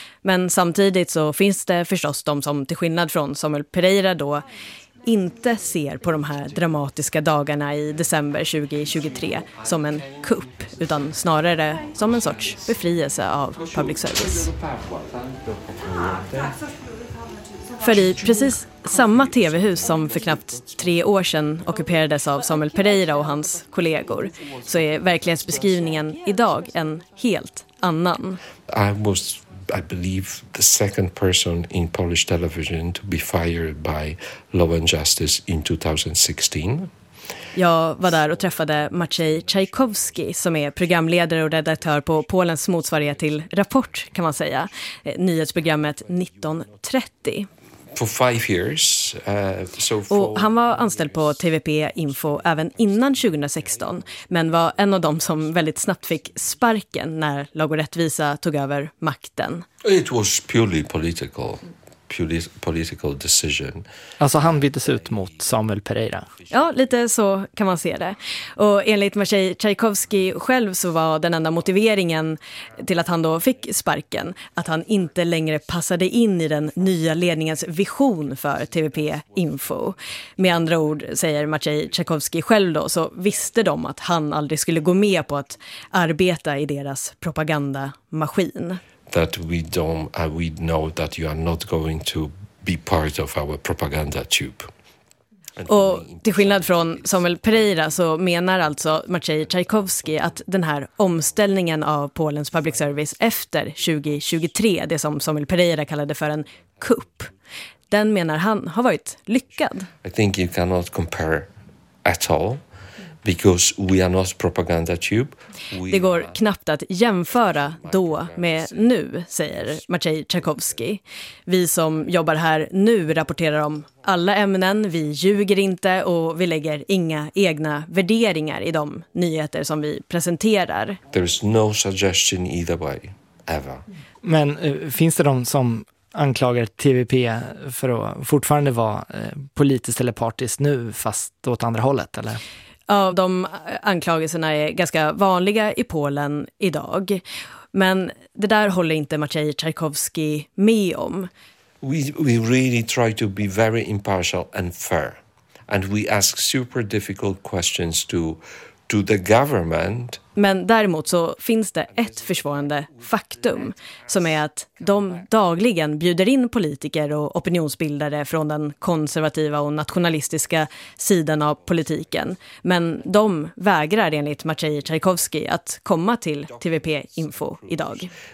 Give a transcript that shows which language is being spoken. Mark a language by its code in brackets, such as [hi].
[sv] Men samtidigt så finns det förstås de som, till skillnad från Samuel Pereira då, inte ser på de här dramatiska dagarna i december 2023 som en kupp, utan snarare som en sorts befrielse av public service. För i precis samma tv-hus som för knappt 3 år sedan ockuperades av Samuel Pereira och hans kollegor, så är verklighetsbeskrivningen idag en helt annan. [en] I believe the second person in Polish television to be fired by Law and Justice in 2016. [sv] Jag var där och träffade Maciej Tchaikovsky, som är programledare och redaktör på Polens motsvarighet till Rapport, kan man säga, nyhetsprogrammet 1930. [en] For 5 years. [sv] Och han var anställd på TVP Info även innan 2016, men var en av dem som väldigt snabbt fick sparken när Lag och rättvisa tog över makten. [en] It was purely political. Political decision. [sv] Alltså han byttes ut mot Samuel Pereira. Ja, lite så kan man se det. Och enligt Maciej Tchaikovsky själv så var den enda motiveringen till att han då fick sparken att han inte längre passade in i den nya ledningens vision för TVP Info. Med andra ord, säger Maciej Tchaikovsky själv då, så visste de att han aldrig skulle gå med på att arbeta i deras propagandamaskin. [en] That we know that you are not going to be part of our propaganda tube. [sv] Och till skillnad från Samuel Pereira så menar alltså Maciej Tchaikovsky att den här omställningen av Polens public service efter 2023, det som Samuel Pereira kallade för en kupp, den menar han har varit lyckad. [en] I think you cannot compare at all. Because we are not propaganda tube. [sv] Det går knappt att jämföra då med nu, säger Maciej Tchaikovsky. Vi som jobbar här nu rapporterar om alla ämnen, vi ljuger inte och vi lägger inga egna värderingar i de nyheter som vi presenterar. [en] There is no suggestion either way, ever. [sv] Men finns det de som anklagar TVP för att fortfarande vara politiskt eller partiskt nu, fast åt andra hållet, eller? Ja, de anklagelserna är ganska vanliga i Polen idag. Men det där håller inte Maciej Tchaikovsky med om. [en] We really try to be very impartial and fair. And we ask super difficult questions to the government. [sv] Men däremot så finns det ett försvarande faktum, som är att de dagligen bjuder in politiker och opinionsbildare från den konservativa och nationalistiska sidan av politiken. Men de vägrar enligt Maciej Tchaikovsky att komma till TVP Info idag.